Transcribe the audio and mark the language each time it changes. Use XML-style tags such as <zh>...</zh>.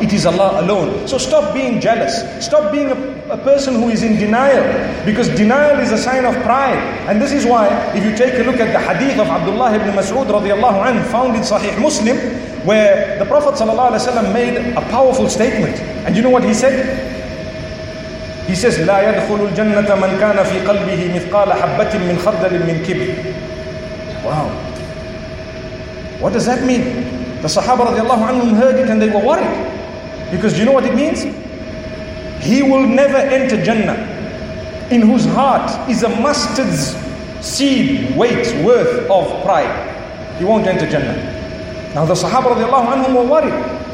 <en>It is Allah alone. So stop being jealous. Stop being a person who is in denial. Because denial is a sign of pride. And this is why, if you take a look at the hadith of Abdullah ibn Mas'ud radiallahu anhu, found in Sahih Muslim, where the Prophet sallallahu alaihi wasallam made a powerful statement. And you know what he said? He says,</en> <ar>لا يدخل الجنة من كان في قلبه مثقال حبة من خردل من كبر.</ar> <en>Wow. What does that mean? The Sahaba radiallahu anhum heard it and they were worried. Because do you know what it means? He will never enter Jannah in whose heart is a mustard seed weight worth of pride. He won't enter Jannah. Now the Sahaba radiallahu anhum were worried.</en>